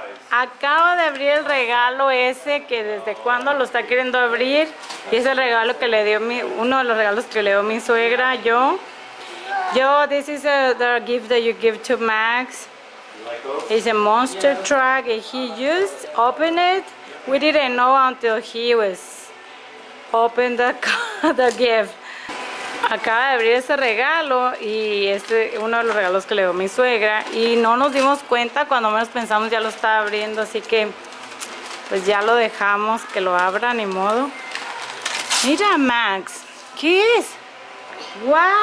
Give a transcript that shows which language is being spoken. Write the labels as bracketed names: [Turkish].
[Spanish] Acaba de abrir el regalo ese que desde cuando lo está queriendo abrir. Y es el regalo que le dio uno de los regalos que le dio mi suegra, yo. [English] This is the gift that you give to Max. It's a monster truck and he just opened it. We didn't know until he was opened the gift. [Spanish] Acaba de abrir ese regalo y este es uno de los regalos que le dio mi suegra y no nos dimos cuenta, cuando menos pensamos ya lo estaba abriendo, así que pues ya lo dejamos que lo abra, ni modo. Mira, Max, ¿qué es? ¡Wow!